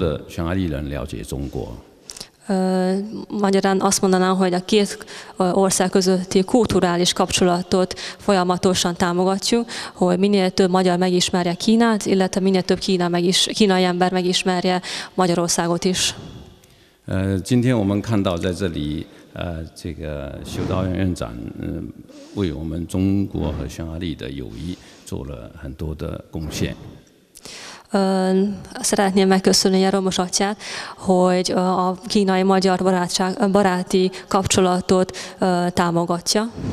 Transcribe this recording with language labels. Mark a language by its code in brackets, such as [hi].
[zh] 所以我们一直在做这个两国之间的文化交流，就是说让更多的中国人了解匈牙利，更让更多的匈牙利人了解中国。 [hu] Magyarán azt mondanám, hogy a két ország közötti kulturális kapcsolatot folyamatosan támogatjuk, hogy minél több magyar megismerje Kínát, illetve minél több kínai ember megismerje Magyarországot is. [zh] 今天我们看到在这里，这个修道院院长为我们中国和匈牙利的友谊做了很多的贡献。 [hu] Szeretném megköszönni a Romos atyát, hogy a kínai-magyar baráti kapcsolatot támogatja.